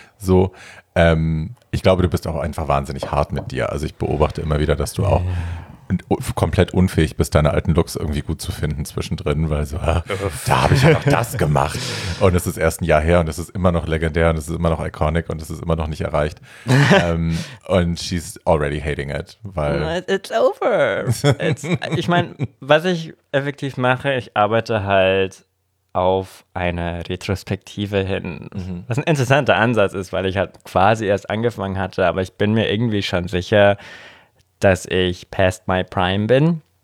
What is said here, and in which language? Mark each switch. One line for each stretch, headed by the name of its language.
German: So, ich glaube, du bist auch einfach wahnsinnig hart mit dir. Also ich beobachte immer wieder, dass du auch komplett unfähig bist, deine alten Looks irgendwie gut zu finden zwischendrin, weil so, da habe ich ja noch das gemacht. Und es ist erst ein Jahr her und es ist immer noch legendär und es ist immer noch iconic und es ist immer noch nicht erreicht.
English: Und she's already hating it, weil... It's over.
German: Ich meine, was ich effektiv mache, ich arbeite halt auf eine Retrospektive hin, was ein interessanter Ansatz ist, weil ich halt quasi erst angefangen hatte, aber ich bin mir irgendwie schon sicher, dass ich
English: past my prime
German: bin.